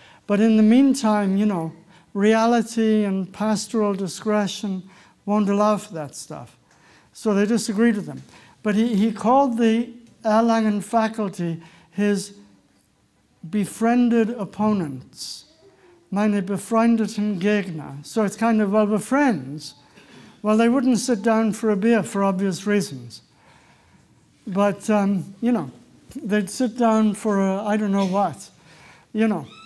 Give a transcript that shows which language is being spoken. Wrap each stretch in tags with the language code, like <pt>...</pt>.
<en>But in the meantime, you know, reality and pastoral discretion won't allow for that stuff. So they disagreed with him. But he called the Erlangen faculty his befriended opponents.</en> <de>Meine befreundeten Gegner.</de> <en>So it's kind of, well, we're friends. Well, they wouldn't sit down for a beer for obvious reasons. But, you know, they'd sit down for a, I don't know what, you know.</en>